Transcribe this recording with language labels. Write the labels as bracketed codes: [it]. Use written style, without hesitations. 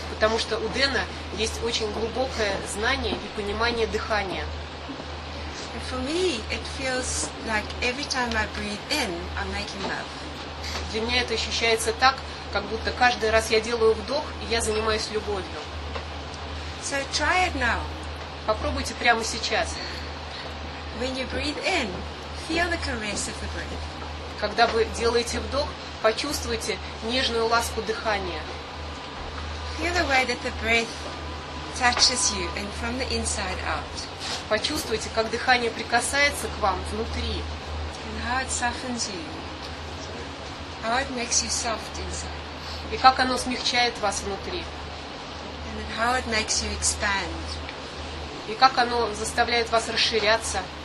[ru] Потому что у Дэна есть очень глубокое знание и понимание дыхания. [en] And for me, it feels like every time I breathe in, I'm making love. [ru] Для меня это ощущается так, как будто каждый раз я делаю вдох, и я занимаюсь любовью. [en] So try it now. [ru] Попробуйте прямо сейчас. [en] When you breathe in, feel the caress of the breath. [ru] Когда вы делаете вдох, почувствуйте нежную ласку дыхания. [en] Feel the way that the breath touches you and from the inside out. [ru] Почувствуйте, как дыхание прикасается к вам внутри. [en] And how it softens you. How it makes you soft inside. [ru] И как оно смягчает вас внутри. [en] And how it makes you expand. [ru] И как оно заставляет вас расширяться.